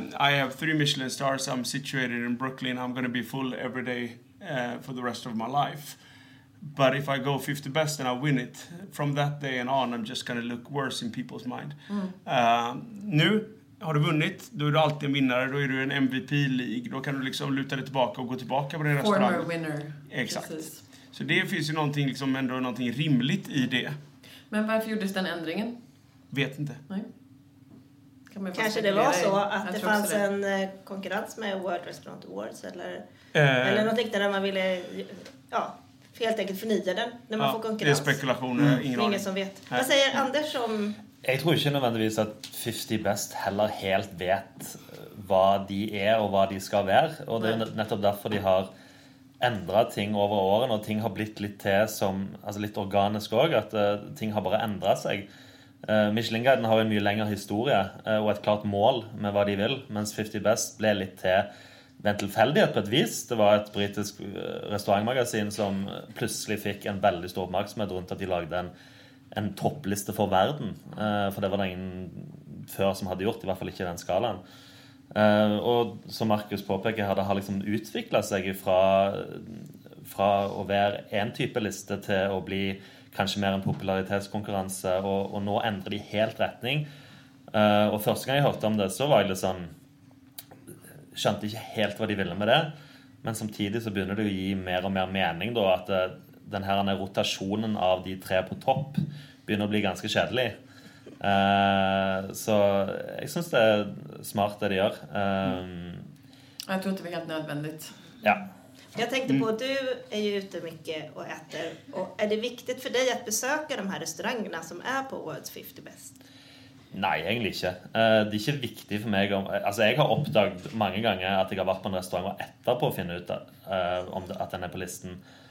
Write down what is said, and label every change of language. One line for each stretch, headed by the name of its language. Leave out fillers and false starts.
English: I have 3 Michelin stars, I'm situated in Brooklyn, I'm gonna be full every day for the rest of my life. But if I go 50 best and I win it, from that day and on I'm just gonna look worse in people's mind.
Swedish: Nu har du vunnit, då är du alltid en vinnare, då är du en MVP-lig, då kan du liksom luta dig tillbaka och gå tillbaka på din restaurang.
English: Former winner.
Swedish: Exakt. Precis. Så det finns ju någonting, liksom ändå någonting rimligt i det. Men varför gjordes den ändringen? Vet inte. Nej. Kanske det var så att det fanns en konkurrens med World Restaurant Awards eller något där man ville, ja, helt enkelt förnya den när man får konkurrens. Det är spekulationer, ingen som vet. Nej. Vad säger Anders om... Jag tror inte nödvändigtvis att 50 best heller helt vet vad de är och vad de ska vara. Och det är nettopp därför de har ändrat ting över åren och ting har blivit lite som, alltså lite organiskt också, att ting har bara ändrat sig.
Norwegian: Michelin-guiden har en mye lengre historie og et klart mål med hva de vil, mens 50 Best ble litt til den tilfeldighet på et vis. Det var et britisk restaurantmagasin som plutselig fikk en veldig stor oppmerksomhet rundt at de lagde en toppliste for verden, for det var det ingen før som hadde gjort, i hvert fall ikke den skalaen. Og som Markus påpeker her, det har liksom utviklet seg fra å være en type liste til å bli kanskje mer en popularitetskonkurranse, og nå endrer de helt retning. Og første gang jeg hørte om det, så var jeg liksom, skjønte ikke helt hva de ville med det, men samtidig så begynner det å gi mer og mer mening da, at den her rotasjonen av de tre på topp begynner å bli ganske kjedelig. Så jeg synes det smart det de gjør. Jeg tror det var helt nødvendig. Ja.
Swedish: Jag tänkte på, du är ju ute mycket och äter. Och är det viktigt för dig att besöka de här restaurangerna som är på World's 50 Best? Nej, egentligen inte. Det är inte viktigt för mig. Alltså, jag har uppdagat många gånger att jag har varit på en restaurang och äter på att finna ut om att den är på listan.